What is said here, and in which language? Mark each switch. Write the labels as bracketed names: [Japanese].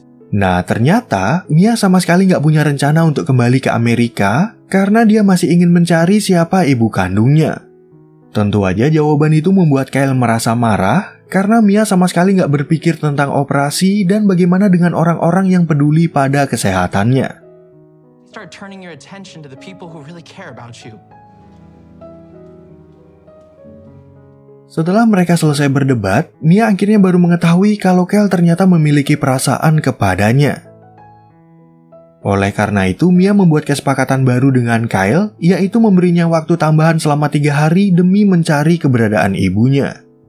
[Indonesian] Nah, ternyata Mia sama sekali nggak punya rencana untuk kembali ke Amerika karena dia masih ingin mencari siapa ibu kandungnya. Tentu aja jawaban itu membuat Kyle merasa marah karena Mia sama sekali nggak berpikir tentang operasi dan bagaimana dengan orang-orang yang peduli pada kesehatannya. [English] Start turning your attention to the people who really care about you. [Indonesian] Setelah mereka selesai berdebat, Mia akhirnya baru mengetahui kalau Cal ternyata memiliki perasaan kepadanya. Oleh karena itu, Mia membuat kesepakatan baru dengan Kyle, yaitu memberinya waktu tambahan selama 3 hari demi mencari keberadaan ibunya.